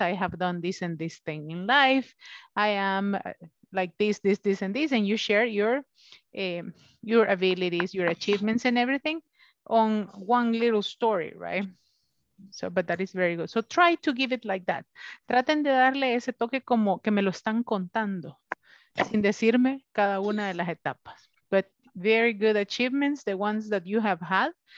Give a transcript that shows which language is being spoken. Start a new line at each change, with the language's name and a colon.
English: I have done this and this thing in life. I am like this, and this. And you share your abilities, your achievements and everything on one little story, right? So, but that is very good. So try to give it like that.
Spanish: Traten de darle ese toque como que me lo están contando, sin decirme cada una de las etapas.
English: Very good achievements, the ones that you have had.